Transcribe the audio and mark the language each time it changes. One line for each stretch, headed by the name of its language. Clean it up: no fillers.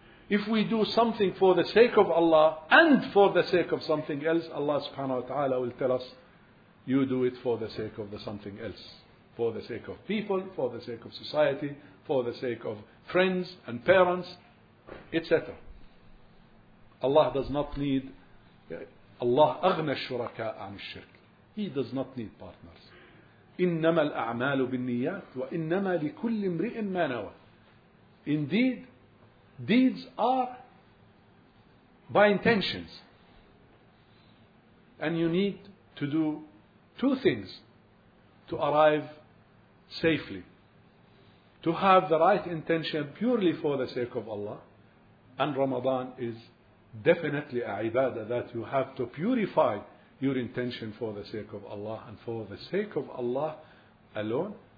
English: If we do something for the sake of Allah and for the sake of something else, Allah subhanahu wa ta'ala will tell us, you do it for the sake of the something else. For the sake of people, for the sake of society, for the sake of friends and parents, etc. Allah does not need, Allah
Arabic: أغنَى الشركاء عن الشرك.
English: He does not need partners.
Arabic: إنما الأعمال بالنيات وإنما لكل امرئ ما نوى.
English: Indeed, deeds are by intentions. And you need to do two things to arrive safely. To have the right intention purely for the sake of Allah. And Ramadan is definitely a ibadah that you have to purify your intention for the sake of Allah and for the sake of Allah alone.